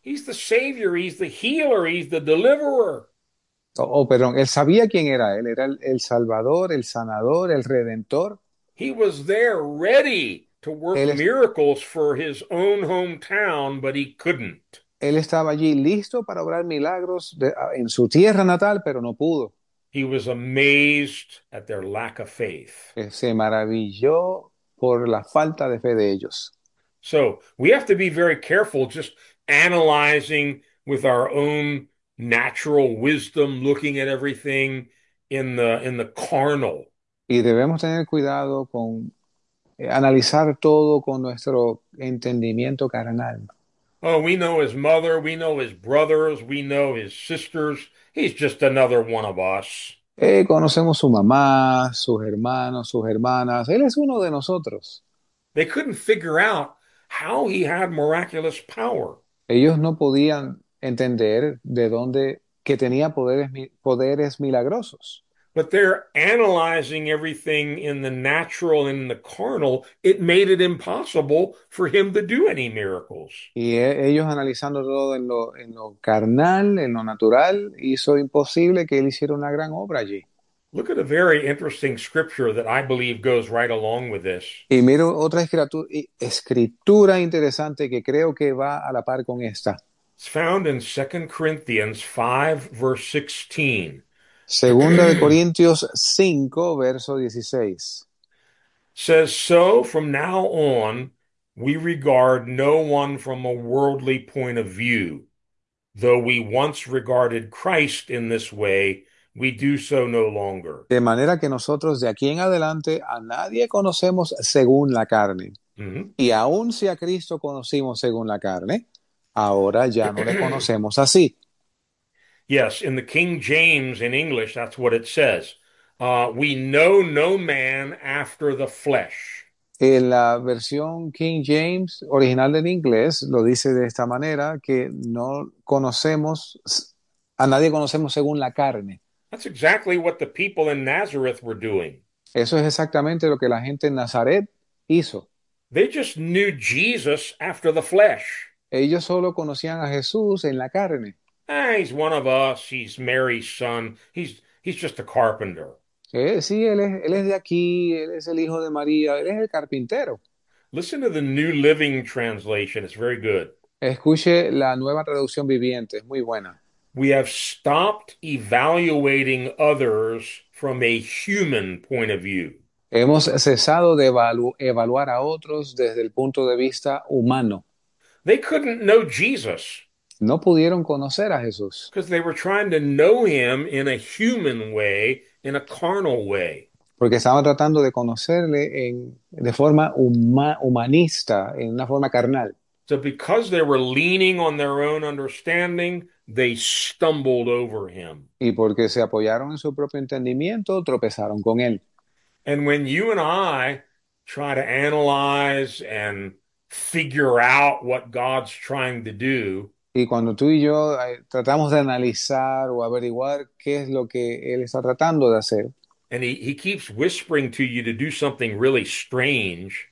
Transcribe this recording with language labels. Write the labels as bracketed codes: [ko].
[en] He's the savior, he's the healer, he's the deliverer. [es] Oh, perdón, él sabía quién era. Él era el Salvador, el Sanador, el Redentor. [en] He was there ready to work miracles for his own hometown, but he couldn't. [es] Él estaba allí listo para obrar milagros en su tierra natal, pero no pudo. [en] He was amazed at their lack of faith. [es] Se maravilló por la falta de fe de ellos. [en] So we have to be very careful just analyzing with our own natural wisdom, looking at everything in the carnal. [es] Y debemos tener cuidado con analizar todo con nuestro entendimiento carnal. [en] Oh, we know his mother, we know his brothers, we know his sisters. He's just another one of us. [es] Conocemos su mamá, sus hermanos, sus hermanas. Él es uno de nosotros. [en] They couldn't figure out how he had miraculous power. [es] Ellos no podían entender de dónde que tenía poderes milagrosos. [en] But they're analyzing everything in the natural and in the carnal, it made it impossible for him to do any miracles. [es] Y ellos analizando todo en lo carnal, en lo natural, hizo imposible que él hiciera una gran obra allí. [en] Look at a very interesting scripture that I believe goes right along with this. [es] Y miro otra escritura interesante que creo que va a la par con esta. [en] It's found in 2 Corinthians 5, verse 16. [es] Segunda de Corintios 5, verso 16. [en] Says, so from now on, we regard no one from a worldly point of view. Though we once regarded Christ in this way, we do so no longer. [es] De manera que nosotros de aquí en adelante a nadie conocemos según la carne. Y aun si a Cristo conocimos según la carne, ahora ya no le conocemos así. [en] Yes, in the King James in English, that's what it says. We know no man after the flesh. [es] En la versión King James original en inglés lo dice de esta manera, que no conocemos, a nadie conocemos según la carne. [en] That's exactly what the people in Nazareth were doing. [es] Eso es exactamente lo que la gente en Nazaret hizo. [en] They just knew Jesus after the flesh. [es] Ellos solo conocían a Jesús en la carne. [en] He's one of us. He's Mary's son. He's just a carpenter. [es] Sí, él es de aquí, él es el hijo de María, él es el carpintero. [en] Listen to the New Living Translation. It's very good. [es] Escuche la nueva traducción viviente, es muy buena. [en] We have stopped evaluating others from a human point of view. [es] Hemos cesado de evaluar a otros desde el punto de vista humano. [en] They couldn't know Jesus [es] No pudieron conocer a Jesús. [en] because they were trying to know him in a human way, in a carnal way. [es] Porque estaban tratando de conocerle de forma humanista, en una forma carnal. [en] So because they were leaning on their own understanding, they stumbled over him. [es] Y porque se apoyaron en su propio entendimiento, tropezaron con él. [en] And when you and I try to analyze and figure out what God's trying to do, [es] Y cuando tú y yo tratamos de analizar o averiguar qué es lo que él está tratando de hacer, [en] and he keeps whispering to you to do something really strange.